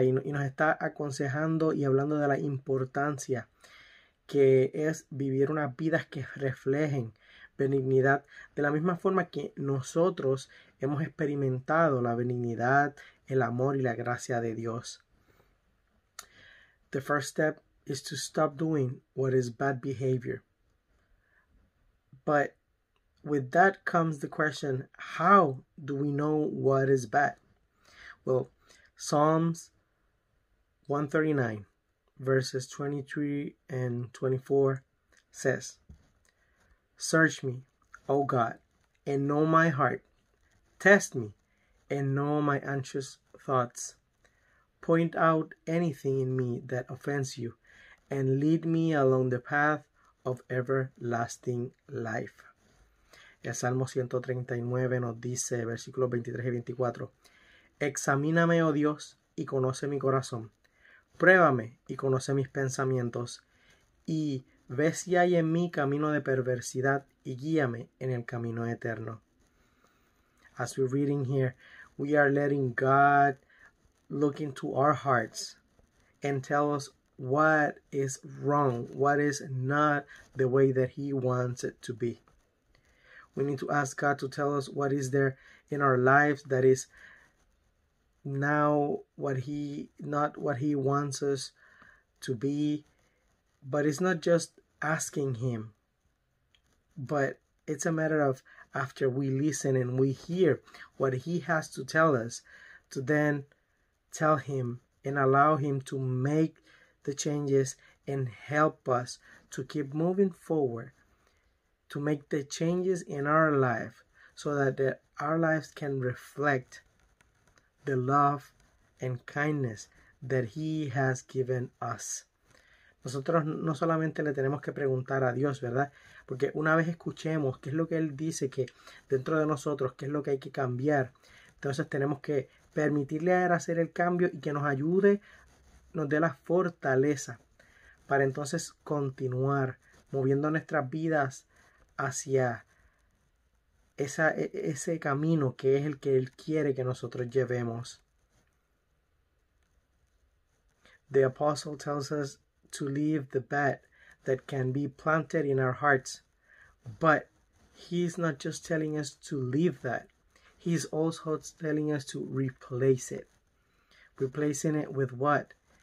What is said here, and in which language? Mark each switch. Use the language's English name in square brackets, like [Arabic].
[Spanish] Y nos está aconsejando y hablando de la importancia que es vivir unas vidas que reflejen benignidad, de la misma forma que nosotros hemos experimentado la benignidad, el amor y la gracia de Dios. [English] The first step is to stop doing what is bad behavior. But with that comes the question, how do we know what is bad? Well, Psalms 139, verses 23 and 24 says, "Search me, O God, and know my heart. Test me, and know my anxious thoughts. Point out anything in me that offends you, and lead me along the path of everlasting life." [Spanish] El Salmo 139 nos dice, versículos 23 y 24, "Examíname, oh Dios, y conoce mi corazón. Pruébame y conoce mis pensamientos. Y ve si hay en mí camino de perversidad y guíame en el camino eterno." [English] As we're reading here, we are letting God look into our hearts and tell us what is wrong, what is not the way that He wants it to be. We need to ask God to tell us what is there in our lives that is not what he wants us to be. But it's not just asking him, but it's a matter of after we listen and we hear what he has to tell us, to then tell him and allow him to make the changes and help us to keep moving forward, to make the changes in our life so that our lives can reflect the love and kindness that He has given us. [Spanish] Nosotros no solamente le tenemos que preguntar a Dios, ¿verdad? Porque una vez escuchemos qué es lo que Él dice que dentro de nosotros, qué es lo que hay que cambiar, entonces tenemos que permitirle a Él hacer el cambio y que nos ayude, nos dé la fortaleza para entonces continuar moviendo nuestras vidas hacia ese camino que es el que Él quiere que nosotros llevemos. [English] The apostle tells us to leave the bad that can be planted in our hearts. But he's not just telling us to leave that. He's also telling us to replace it. Replacing it with what?